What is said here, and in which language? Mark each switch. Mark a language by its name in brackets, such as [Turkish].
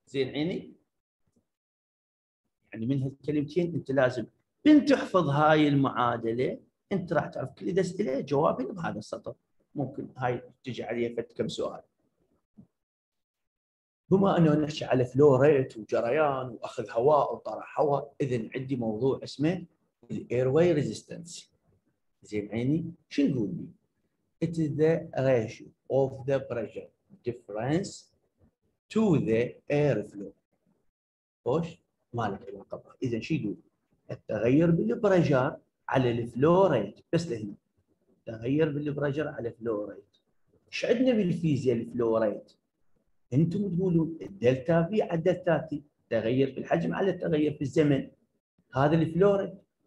[Arabic] زين عيني، يعني من هالكلمتين انت لازم ان تحفظ هاي المعادله، انت راح تعرف كل اسئله جوابي بهذا السطر. ممكن هاي تجي عليها فت كم سؤال. بما انه نحكي على فلو ريت وجريان واخذ هواء وطرح هواء، اذا عندي موضوع اسمه الاير واي ريزيستنس. زين عيني، شو نقول لي؟ [English] It is the ratio of the pressure difference to the air flow. [Arabic] خوش؟ ما لك علاقة. إذا شو يقول؟ التغير بالبرجر على الفلو ريت، بس لهنا. التغير بالبرجر على الفلو ريت. إيش عندنا بالفيزياء الفلو ريت؟ أنتم تقولون الدلتا في على الدلتا تي، تغير في الحجم على التغير في الزمن. هذا الفلو ريت.